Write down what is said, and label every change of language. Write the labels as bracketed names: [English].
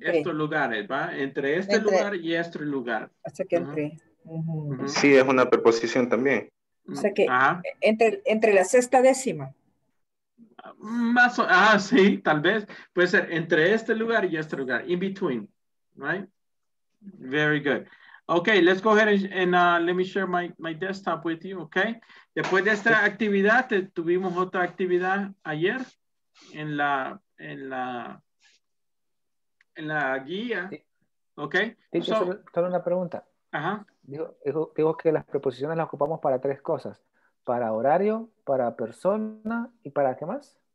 [Spanish] estos lugares, ¿va? Entre este lugar y este lugar. Hasta que entre. Sí, es una preposición también. O sea que entre la sexta décima. Más o, sí, tal vez. Puede ser entre este lugar y este lugar. [English] In between, right? Very good. Okay, let's go ahead and let me share my desktop with you, okay? [Spanish] Después de esta actividad, tuvimos otra actividad ayer en la guía, ¿ok? Solo una pregunta. Ajá. Digo que las preposiciones las ocupamos para tres cosas. Para horario, para persona, ¿y para qué más?